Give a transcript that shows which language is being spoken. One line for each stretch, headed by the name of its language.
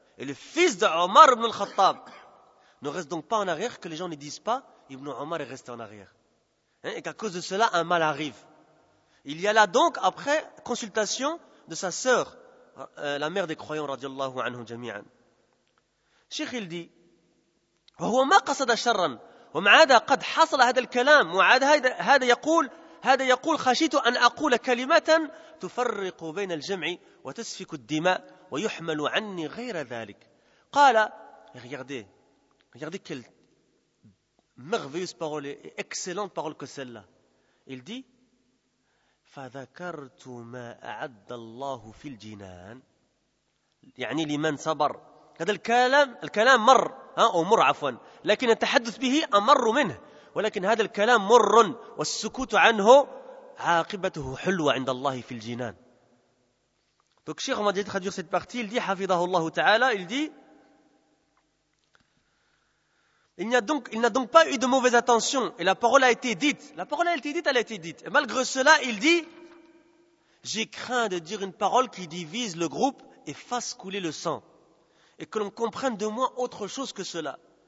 French: Et le fils de Omar ibn al-Khattab ne reste donc pas en arrière, que les gens ne disent pas, Ibn Omar est resté en arrière. Et qu'à cause de cela, un mal arrive. Il y a là donc, après consultation de sa sœur, la mère des croyants, radiallahu anhum jami'an. Cheikh, il dit,
Arabic: وهو ما قصد شرا ومع هذا قد حصل هذا الكلام وعاد هذا يقول هذا يقول خشيت أن أقول كلمة تفرق بين الجمع وتسفك الدماء ويحمل عني غير ذلك.
French: قال regardez quelle merveilleuse parole et excellente parole que celle-là. Il dit
Arabic: فذكرت ما أعد الله في الجنان, يعني لمن صبر. هذا الكلام مر ومر عفوا, لكن التحدث به أمر منه, ولكن هذا الكلام مر والسكوت عنه عاقبته حلوة عند الله في الجنان.
French: Donc Cheikh Mohamed a traduit cette partie, il dit
Arabic: حفظه الله تعالى,
French: il dit il n'a donc pas eu de mauvaise attention et la parole a été dite, et malgré cela il dit j'ai craint de dire une parole qui divise le groupe et fasse couler le sang et que l'on comprenne de moi autre chose que cela.